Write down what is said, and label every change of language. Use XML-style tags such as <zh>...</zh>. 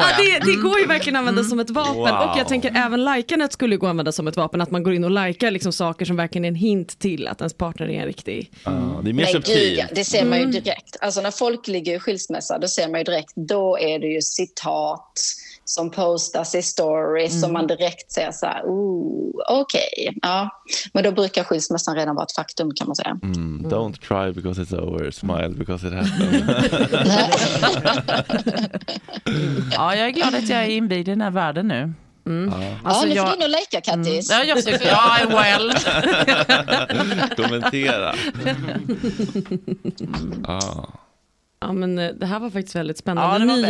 <sv>Ja, det går ju verkligen att använda som ett vapen. Wow. Och jag tänker även likandet skulle gå att använda som ett vapen, att man går in och likar liksom saker som verkligen är en hint till att ens partner är en riktig. Det är mer subtil. Ja, det ser man ju direkt. Alltså när folk ligger i skilsmässa, då ser man ju direkt, då är det ju citat som postas i stories som man direkt säger så här, okej. Okay. Ja. Men då brukar skilsmässan redan vara ett faktum kan man säga. Mm.</sv> <en>Don't cry because it's over, smile because it happened.</en> <sv>Ja, jag är glad att jag är inbjuden i den här världen nu. Mm. Alltså, ja, ni får gå in och lika, Kattis. Ja, jag ska göra det. Ja, well. Kommentera. Ja, men det här var faktiskt väldigt spännande.</sv>